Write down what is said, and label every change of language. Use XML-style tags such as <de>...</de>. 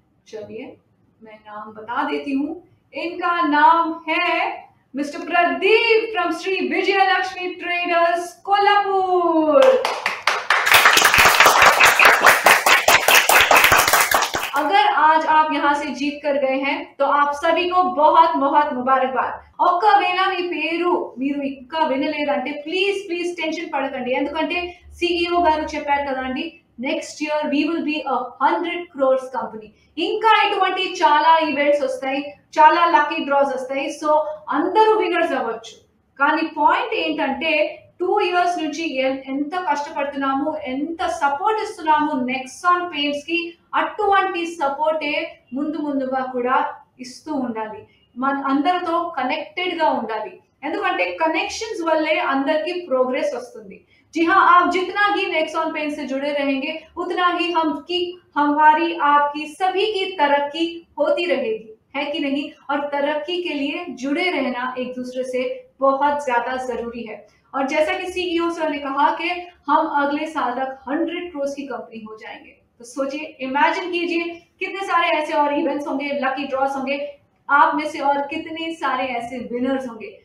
<hi>चलिए मैं नाम बता देती हूँ. इनका नाम है mister Pradeep from Shri Vijayalakshmi traders Kolhapur. अगर आज आप यहाँ से जीत कर गए हैं तो आप सभी को बहुत बहुत मुबारकबाद.</hi> <te>ఒక్కా వేళ మీ పేరు మీరు ఇంకా వినలేదంటే ప్లీజ్ ప్లీజ్ టెన్షన్ పడకండి. ఎందుకంటే సిఈఓ గారు చెప్పారు కదా అండి,</te> <en>Next year we will be 100 crores company.</en> <te>ఇంకా ఇటువంటి చాలా ఈవెంట్స్ వస్తాయి, చాలా లక్కీ డ్రాస్ వస్తాయి, సో అందరూ విన్నర్స్ అవ్వచ్చు. కానీ పాయింట్ ఏంటంటే 2 ఇయర్స్ నుంచి ఎంత కష్టపడుతున్నాము, ఎంత సపోర్ట్ ఇస్తున్నాము నెక్సాన్ పేమెంట్స్ కి, అటువంటి సపోర్టే ముందు ముందుగా కూడా ఇస్తూ ఉండాలి. మన అందరితో కనెక్టెడ్ గా ఉండాలి, ఎందుకంటే కనెక్షన్స్ వల్లే అందరికి ప్రోగ్రెస్ వస్తుంది.</te> <hi>जी हाँ, आप जितना ही नेक्सॉन पेंट से जुड़े रहेंगे उतना ही हम की हमारी आपकी सभी की तरक्की होती रहेगी. है कि नहीं, और तरक्की के लिए जुड़े रहना एक दूसरे से बहुत ज्यादा जरूरी है। और जैसा कि सीईओ सर ने कहा कि हम अगले साल तक 100 करोड़ की कंपनी हो जाएंगे, तो सोचिए, इमेजिन कीजिए कितने सारे ऐसे और इवेंट्स होंगे, लकी ड्रॉस होंगे आप में से, और कितने सारे ऐसे विनर्स होंगे।</hi>